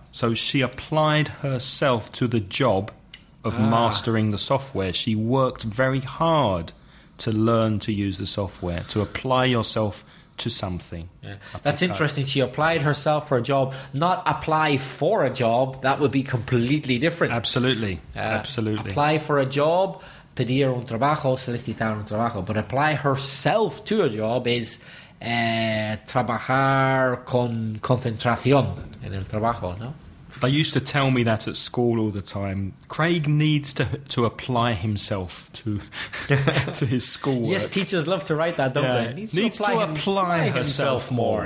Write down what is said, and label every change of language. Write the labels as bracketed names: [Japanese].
[English] So she applied herself to the job of mastering the software. She worked very hard to learn to use the software, to apply yourself to something. Yeah. That's interesting. She applied herself for a job, not apply for a job. That would be completely different. Absolutely. Absolutely. Apply for a job. [Spanish] Pedir un trabajo, solicitar un trabajo. [English] But apply herself to a job is trabajar con concentración en el trabajo, no? They used to tell me that at school all the time. Craig needs to apply himself to to his schoolwork. Yes, teachers love to write that, don't they? Needs to apply himself more.